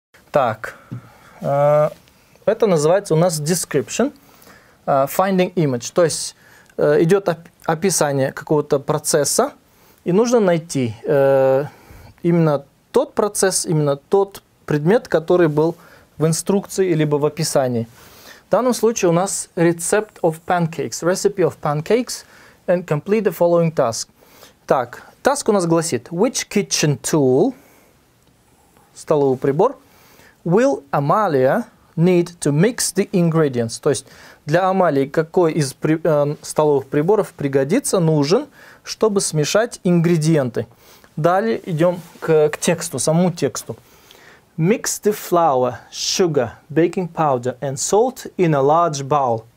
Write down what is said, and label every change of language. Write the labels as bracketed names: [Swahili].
[Russian] Так, это называется у нас [English] description, finding image. [Russian] То есть идет описание какого-то процесса, и нужно найти именно тот процесс, именно тот предмет, который был в инструкции либо в описании. В данном случае у нас [English] recipe of pancakes, recipe of pancakes, and complete the following task. [Russian] Так, task у нас гласит, [English] which kitchen tool, [Russian] столовый прибор, [English] will Amalia need to mix the ingredients? [Russian] То есть для Амалии какой из столовых приборов пригодится, нужен, чтобы смешать ингредиенты. Далее идем к тексту, самому тексту. [English] Mix the flour, sugar, baking powder and salt in a large bowl.